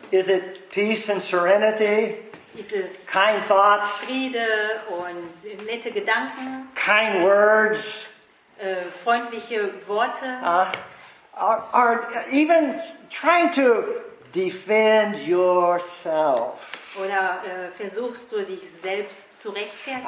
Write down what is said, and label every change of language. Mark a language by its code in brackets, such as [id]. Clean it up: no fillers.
[en] Is it peace and serenity? [de] Ist es [en] kind thoughts, [de] Friede und nette Gedanken, [en] kind words, [de] freundliche Worte, [en] are even trying to defend yourself. [de] Oder versuchst du dich selbst zu rechtfertigen?